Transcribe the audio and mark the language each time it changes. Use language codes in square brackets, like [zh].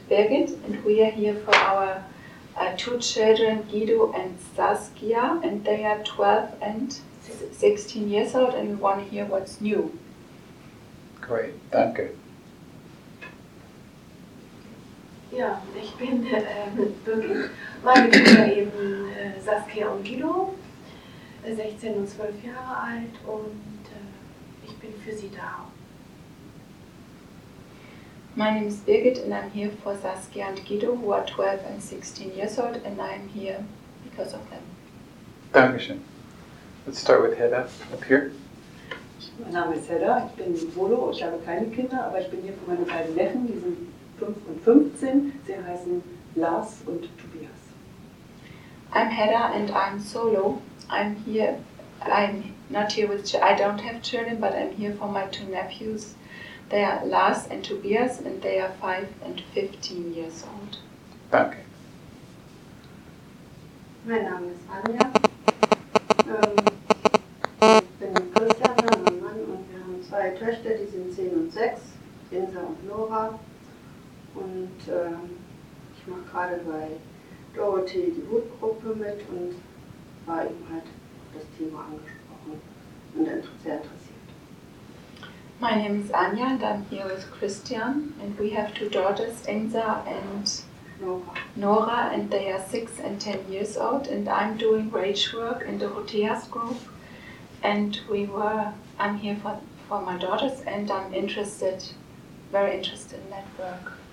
[en] Birgit, and we are here for our two children, Guido and Saskia, and they are 12 and 16 years old, and we want to hear what's new. Great, [de] danke. Ja, ich bin wirklich, meine Kinder eben Saskia und Guido, 16 und 12 Jahre alt und ich bin für sie da. [en] My name is Birgit and I'm here for Saskia and Guido, who are 12 and 16 years old, and I'm here because of them. [de] Dankeschön. [en] Let's start with Hedda up here. [de] Mein Name ist Hedda, ich bin Volo, ich habe keine Kinder, aber ich bin hier für meine beiden Neffen, die sind 5 und 15, sie heißen Lars und Tobias. [en] I'm Hedda and I'm solo. I'm here, I'm not here with, I don't have children, but I'm here for my two nephews. They are Lars and Tobias, and they are 5 and 15 years old. [de] Danke. Mein Name ist Anja. Ich bin Christian, mein Mann, und wir haben zwei Töchter, die sind 10 und 6, Insa und Nora. Und ich mache gerade bei Dorothee die Hutgruppe mit und war eben halt das Thema angesprochen und sehr interessiert. [en] My name is Anja and I'm here with Christian and we have two daughters, Insa and Nora, and they are 6 and 10 years old and I'm doing rage work in the Roteas group and I'm here for my daughters and I'm interested, very interested in that work.